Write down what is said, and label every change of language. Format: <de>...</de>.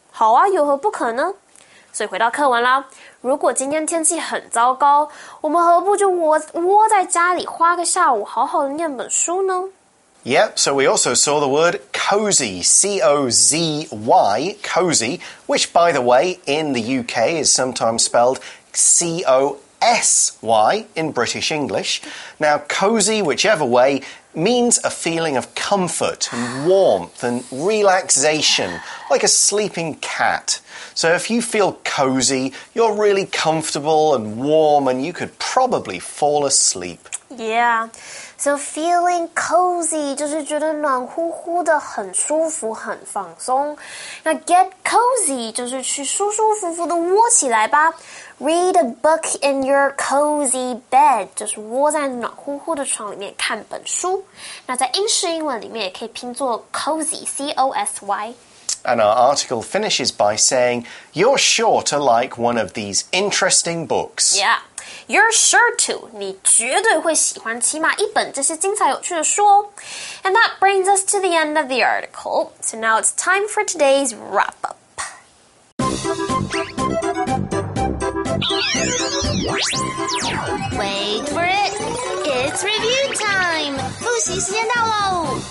<zh>好啊有何不可呢所以回到课文啦如果今天天气很糟糕我们何不就 窝在家里花个下午好好的念本书呢</zh> <en>Yep, so we also saw the word cozy, C-O-Z-Y, cozy, which, by the way, in the UK is sometimes spelled C-O-S-Y in British English. Now, cozy, whichever way, means a feeling of comfort and warmth and relaxation, like a sleeping cat. So if you feel cozy, you're really comfortable and warm and you could probably fall asleep. Yeah. So feeling cozy,</en> <zh>就是觉得暖乎乎的很舒服很放松。那 get cozy, 就是去舒舒服服的窝起来吧。</zh> <en>Read a book in your cozy bed,</en> <zh>就是窝在暖乎乎的床里面看本书。那在英式英文里面也可以拼作 cozy, C-O-S-Y。</zh> <en>And our article finishes by saying, you're sure to like one of these interesting books. Yeah. You're sure to.</en> <zh>你绝对会喜欢起码一本这些精彩有趣的书哦。</zh> <en>And that brings us to the end of the article. So now it's time for today's wrap-up. Wait for it. It's review time.</en> <zh>复习时间到喽。</zh>